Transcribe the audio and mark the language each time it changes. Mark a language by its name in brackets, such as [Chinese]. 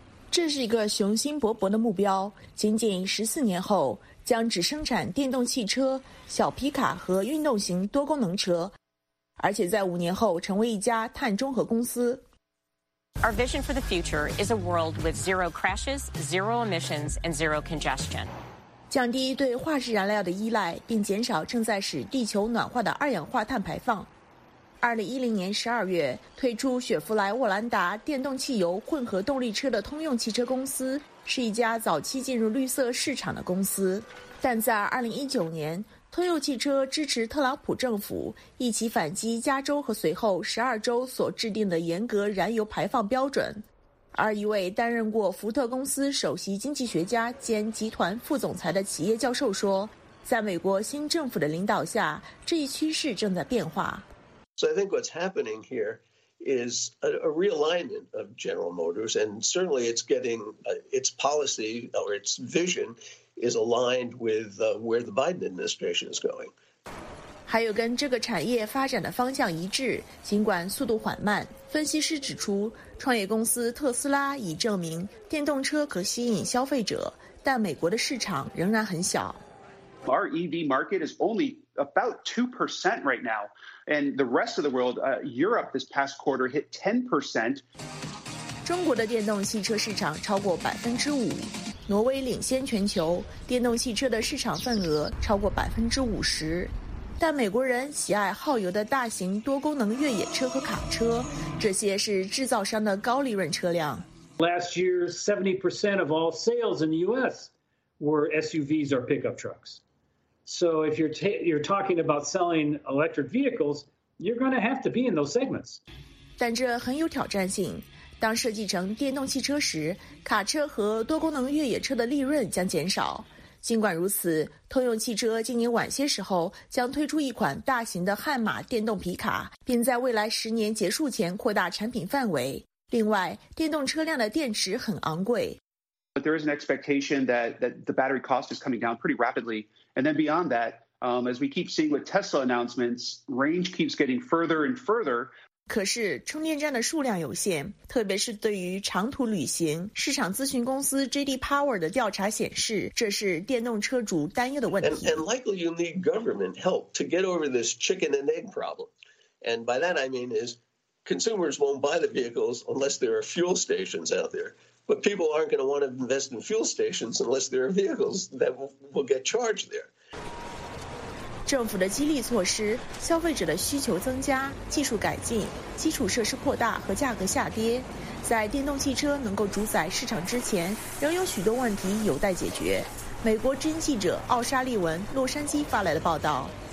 [Chinese] 这是一个雄心勃勃的目标，仅仅14年后，将只生产电动汽车、小皮卡和运动型多功能车。而且在五年后成为一家碳中和公司。 [English] Our vision for the future is a world with zero crashes, zero emissions, and zero congestion. [Chinese] 降低对化石燃料的依赖，并减少正在使地球暖化的二氧化碳排放。 2010年12月推出雪佛莱沃兰达电动汽油混合动力车的通用汽车公司，是一家早期进入绿色市场的公司，但在2019年。通用汽车支持特朗普政府一起反击加州和随后12州所制定的严格燃油排放标准，而一位担任过福特公司首席经济学家兼集团副总裁的企业教授说，在美国新政府的领导下，这一趋势正在变化。 [English] So I think what's happening here is a realignment of General Motors, and certainly it's getting its policy or its visionis aligned with where the Biden administration is going. [Chinese] 还有跟这个产业发展的方向一致，尽管速度缓慢。分析师指出，创业公司特斯拉已证明电动车可吸引消费者，但美国的市场仍然很小。 [English] Our EV market is only about 2% right now, and the rest of the world, Europe this past quarter hit 10%. [Chinese] 中国的电动汽车市场超过5%。挪威领先全球，电动汽车的市场份额超过50%。但美国人喜爱耗油的大型多功能越野车和卡车，这些是制造商的高利润车辆。 [English] Last year, 70% of all sales in the U.S. were SUVs or pickup trucks. So if you're talking about selling electric vehicles, you're going to have to be in those segments. [Chinese] 但这很有挑战性。当设计成电动汽车时，卡车和多功能越野车的利润将减少。尽管如此，通用汽车今年晚些时候将推出一款大型的悍马电动皮卡，并在未来十年结束前扩大产品范围。另外，电动车辆的电池很昂贵。 [English] But there is an expectation that the battery cost is coming down pretty rapidly. And then beyond that, as we keep seeing with Tesla announcements, range keeps getting further and further. [Chinese] 可是充电站的数量有限，特别是对于长途旅行。市场咨询公司 JD Power 的调查显示，这是电动车主担忧的问题。 [English] And likely you need government help to get over this chicken and egg problem. And by that I mean is consumers won't buy the vehicles unless there are fuel stations out there. But people aren't going to want to invest in fuel stations unless there are vehicles that will get charged there. [Chinese] 政府的激励措施，消费者的需求增加，技术改进，基础设施扩大和价格下跌，在电动汽车能够主宰市场之前，仍有许多问题有待解决。美国之音记者奥沙利文洛杉矶发来的报道。